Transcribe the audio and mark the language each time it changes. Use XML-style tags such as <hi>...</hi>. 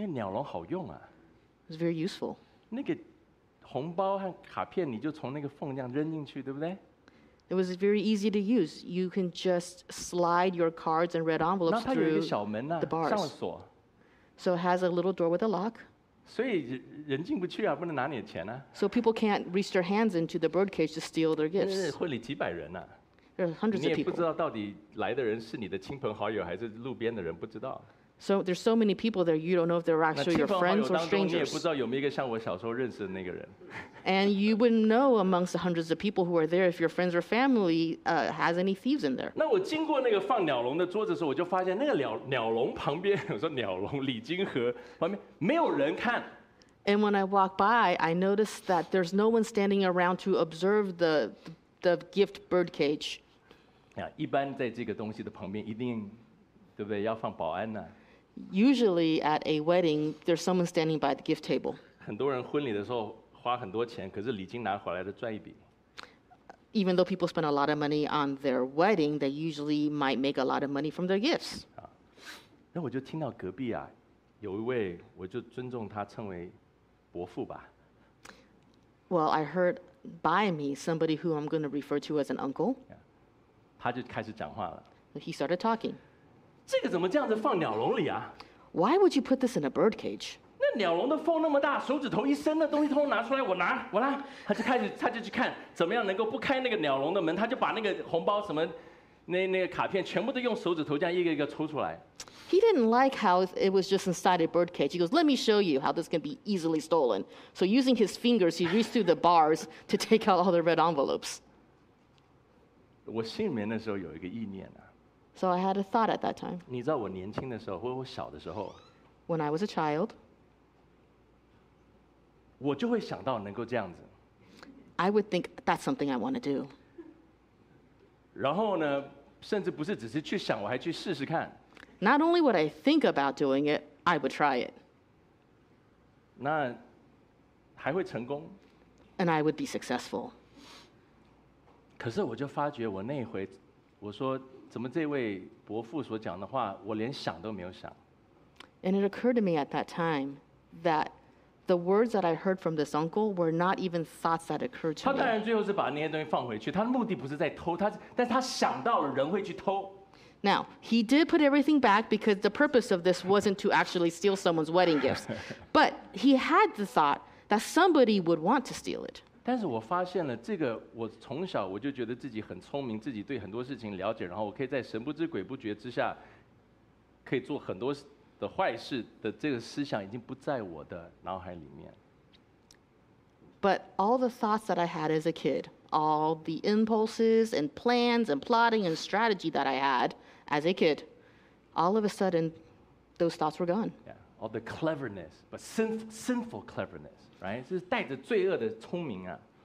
<zh>因为鸟笼好用啊。</zh> <en>It's very useful.</en> <zh>那个红包和卡片你就从那个缝这样扔进去，对不对？</zh> <en>It was very easy to use. You can just slide your cards and red envelopes through the bars.</en> <zh>上了锁。</zh> <en>So it has a little door with a lock.</en> <zh>所以人进不去啊，不能拿你的钱啊。</zh> <en>So people can't reach their hands into the birdcage to steal their gifts.</en> <zh>会里几百人啊。</zh> <en>There are hundreds of people.</en> <zh>你也不知道到底来的人是你的亲朋好友还是路边的人，不知道。</zh> <en>So there's so many people there, you don't know if they're actually your friends or strangers.</en> <zh>你也不知道有没有一个像我小时候认识的那个人。</zh> <en>And you wouldn't know amongst the hundreds of people who are there if your friends or family has any thieves in there.</en> <zh>那我经过那个放鸟笼的桌子的时候，我就发现那个鸟笼旁边，我说鸟笼礼金盒旁边没有人看。</zh> <en>And when I walked by, I noticed that there's no one standing around to observe the gift birdcage.</en> <zh>呀，一般在这个东西的旁边一定，对不对？要放保安呢。</zh> <en>Usually at a wedding, there's someone standing by the gift table.</en> <zh>很多人婚礼的时候花很多钱，可是礼金拿回来的赚一笔。</zh> <en>Even though people spend a lot of money on their wedding, they usually might make a lot of money from their gifts.</en> <zh>那我就听到隔壁啊，有一位，我就尊重他称为伯父吧。</zh> <en>Well, I heard by me somebody who I'm going to refer to as an uncle.</en> <zh>他就开始讲话了。</zh> <en>He started talking.</en> <zh>这个怎么这样子放鸟笼里啊</zh> <en>？Why would you put this in a bird cage？</en> <zh>那鸟笼的缝那么大，手指头一伸，那东西通通拿出来，我拿。他就去看怎么样能够不开那个鸟笼的门，他就把那个红包什么，那个卡片全部都用手指头这样一个抽出来。</zh> <en>He didn't like how it was just inside a bird cage. He goes, "Let me show you how this can be easily stolen." So using his fingers, he reached through the bars to take out all the red envelopes.</en> <zh>我心里面那时候有一个意念啊。</zh> <en>So I had a thought at that time.</en> <zh>你知道我年轻的时候，或者我小的时候</zh> <en>，When I was a child，</en> <zh>我就会想到能够这样子。</zh> <en>I would think that's something I want to do.</en> <zh>然后呢，甚至不是只是去想，我还去试试看。</zh> <en>Not only would I think about doing it, I would try it.</en> <zh>那还会成功。</zh> <en>And I would be successful.</en> <zh>可是我就发觉，我那回我说。怎么这位伯父所讲的话，我连想都没有想。</zh> <en>And it occurred to me at that time that the words that I heard from this uncle were not even thoughts that occurred to me.</en> <zh>他当然最后是把那些东西放回去，他的目的不是在偷，但是他想到了人会去偷。</zh> <en>Now he did put everything back because the purpose of this wasn't to actually steal someone's wedding gifts, but he had the thought that somebody would want to steal it.</en> <zh>但是我发现了这个，我从小我就觉得自己很聪明，自己对很多事情了解，然后我可以在神不知鬼不觉之下，可以做很多的坏事的这个思想已经不在我的脑海里面。</zh> <en>But all the thoughts that I had as a kid, all the impulses and plans and plotting and strategy that I had as a kid, all of a sudden, those thoughts were gone. Yeah, all the cleverness, but sinful cleverness, right?</en> <zh>是带着罪恶的聪明啊。</zh>